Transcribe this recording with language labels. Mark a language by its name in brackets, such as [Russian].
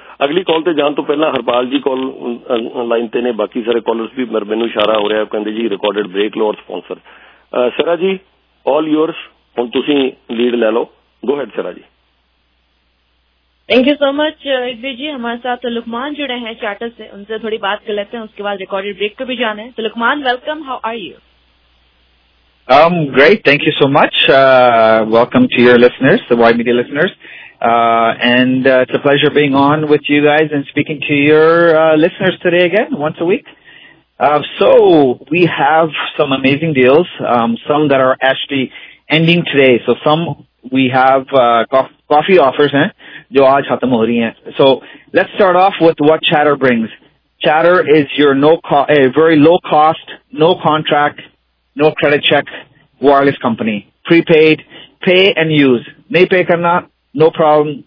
[Punjabi] ਅਗਲੀ ਕਾਲ ਤੇ ਜਾਣ ਤੋਂ ਪਹਿਲਾਂ ਹਰਪਾਲ ਜੀ ਕਾਲ ਲਾਈਨ ਤੇ ਨੇ, ਬਾਕੀ ਸਾਰੇ ਕਾਲਰਸ ਵੀ ਮੈਨੂੰ ਇਸ਼ਾਰਾ ਹੋ ਰਿਹਾ, ਕਹਿੰਦੇ ਜੀ ਰਿਕਾਰਡਡ ਬ੍ਰੇਕ ਲਓ ਔਰ ਸਪੋਂਸਰ। ਸਰਾ ਜੀ [English] all yours, [Punjabi] ਹੁਣ ਤੁਸੀਂ ਲੀਡ ਲੈ ਲਓ, [English] go ahead [Punjabi] ਸਰਾ ਜੀ। [English] Thank you so much Ikbir ji. [Hindi] हमारे साथ लुकमान जुड़े हैं चार्टर से, उनसे थोड़ी बात कर लेते हैं, उसके बाद रिकॉर्डेड ब्रेक पे भी जाना है। तो Lukman [English] Welcome, how are you? Great, thank you so much, welcome to your listeners, the Y media listeners, and it's a pleasure being on with you guys and speaking to your listeners today again once a week. So we have some amazing deals, some that are actually ending today, so some we have coffee offers [Hindi] hain jo aaj khatam ho rahi hain. [English] So let's start off with what Chatter brings. Chatter is your very low cost, no contract, no credit check wireless company, prepaid, pay and use, [Hindi] nahi pay karna, [English] no problem,